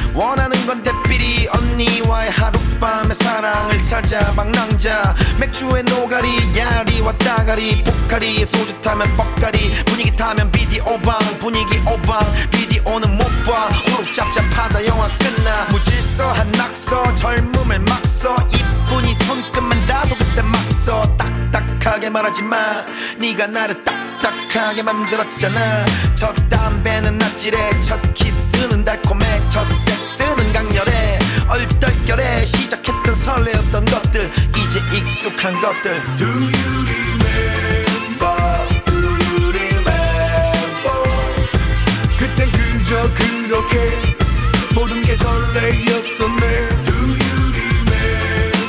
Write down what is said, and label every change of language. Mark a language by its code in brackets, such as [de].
[ko] 원하는 건 대비리 언니와의 하룻밤의 사랑을 찾아 방랑자 맥주에 노가리 야리와 따가리 포카리 소주 타면 뻑가리 분위기 타면 비디오방 분위기 오방 비디오는 못 봐 호흡 잡자 바다 영화 끝나 무질서한 낙서 젊음을 막서 이뿐이 손끝만 닿아도 그때 막서 딱딱하게 말하지 마 네가 나를 딱딱하게 만들었잖아 첫 담배는 낯질해 첫 키스는 달콤해 첫 섹스는 강렬해 얼떨결에 시작했던 설레었던 것들 이제 익숙한 것들 [en] Do you remember? Do you remember? [ko] 그땐 그저 그렇게 모든 게 설레였었네 [en] Do you remember?